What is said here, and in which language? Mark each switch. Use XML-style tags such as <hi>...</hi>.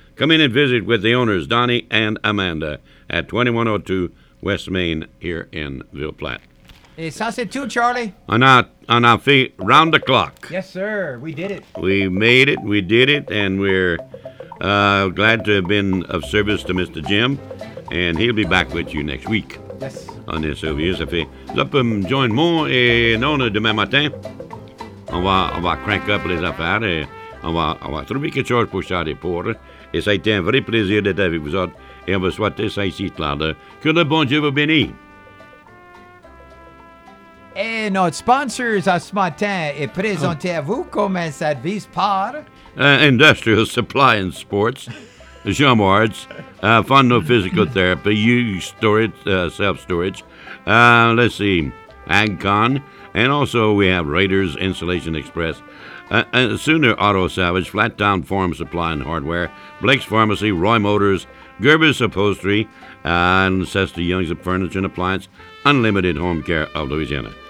<en>Come in and visit with the owners, Donnie and Amanda, at 2102 West Main here in Ville Platte.</en> <fr>Et ça c'est tout, Charlie.</fr> <en>On our feet, round the clock. Yes, sir. We did it. We made it. We did it. And we're glad to have been of service to Mr. Jim. And he'll be back with you next week. Yes. On this over here.</en> <fr>Là, pour me joindre moi et Nona demain matin, on va</fr> <en>crank up</en> <fr>les affaires et On va trouver quelque chose pour charler pour. Et ça a été un vrai plaisir d'être avec vous autres. Et on va souhaiter ça ici, Claude. Que le bon Dieu vous bénisse. Et notre sponsor à ce matin est présenté à vous comme un service par...</fr> <en>Industrial Supply and Sports, Jean Wards, Fondo Physical Therapy, You Storage, Self-Storage, let's see, AgCon, and also we have Raiders Insulation Express, Sooner Auto Salvage, Flat Town Farm Supply and Hardware, Blake's Pharmacy, Roy Motors, Gerber's Upholstery, and Sester Young's Furniture and Appliance, Unlimited Home Care of Louisiana.</en>